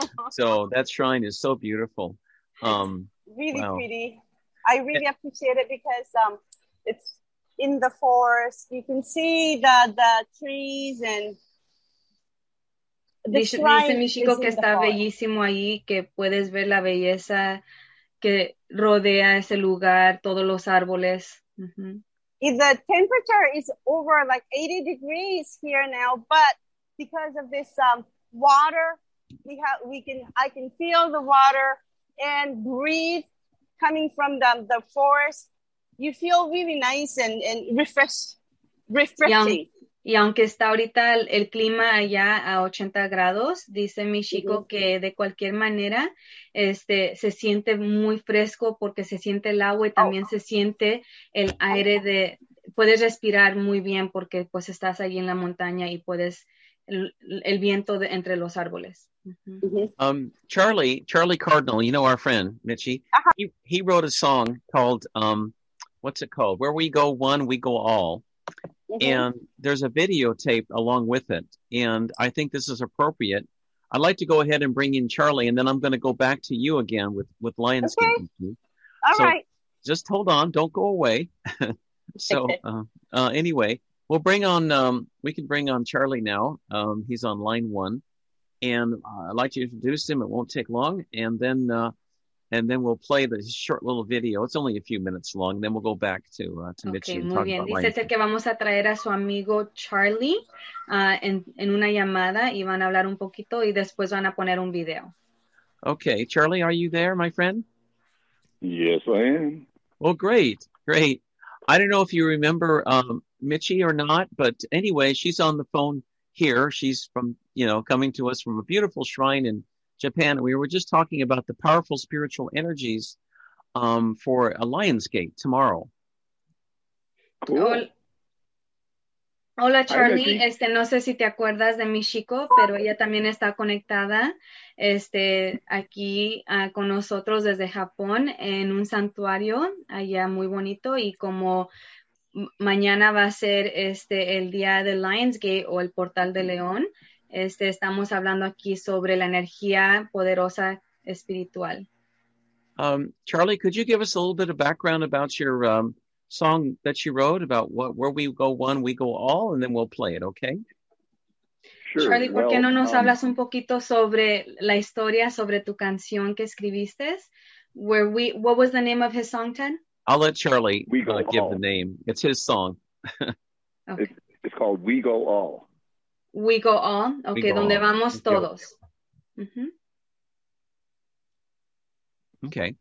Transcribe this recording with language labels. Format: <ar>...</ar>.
<en>So that shrine is so beautiful. Really wow. Pretty. I really appreciate it because it's in the forest. You can see the trees and the shrine.</en> <es>Dice mi chico que está bellísimo ahí, que puedes ver la belleza que rodea ese lugar, todos los árboles.</es> <en>If the temperature is over like 80 degrees here now, but because of this water, I can feel the water and breathe coming from the forest. You feel really nice and refreshing.</en> <es>Y aunque está ahorita el clima allá a 80 grados, dice mi chico que de cualquier manera se siente muy fresco porque se siente el agua y también se siente el aire de... Puedes respirar muy bien porque pues estás ahí en la montaña y puedes... el viento de, entre los árboles.</es> <en>Charlie Cardinal, you know our friend, Mitchie. He wrote a song called, what's it called? Where We Go One, We Go All. And there's a videotape along with it. And I think this is appropriate. I'd like to go ahead and bring in Charlie, and then I'm going to go back to you again with Lionsgate. Okay. All right. Just hold on. Don't go away. So anyway, we'll bring on, we can bring on Charlie now. He's on line one. And I'd like to introduce him. It won't take long. And then we'll play the short little video. It's only a few minutes long. Then we'll go back to Mitchie okay, and talk about</en> <es>Dice que vamos a traer a su amigo Charlie en una llamada y van a hablar un poquito y después van a poner un video.</es> <en>Okay, Charlie, are you there, my friend? Yes, I am. Well, great, great. I don't know if you remember Mitchie or not, but anyway, she's on the phone here. She's from, you know, coming to us from a beautiful shrine in Japan. We were just talking about the powerful spiritual energies for a Lionsgate tomorrow. Cool.</en> <es>Hola, Charlie. No sé si te acuerdas de mi chico, pero ella también está conectada aquí con nosotros desde Japón en un santuario allá muy bonito. Y como mañana va a ser el día de Lionsgate o el Portal de León, estamos hablando aquí sobre la energía poderosa espiritual.</es> <en>Charlie, could you give us a little bit of background about your song that you wrote about where we go one, we go all, and then we'll play it, okay? Sure.</en> <es>Charlie, ¿por qué no nos hablas un poquito sobre la historia, sobre tu canción que escribiste?</es> <en>What was the name of his song, Ted? I'll let Charlie give the name. It's his song. Okay. It's called We Go All. We go all, okay, go donde all.</en> <es>Vamos todos.</es> <en>Mm-hmm. Okay.</en>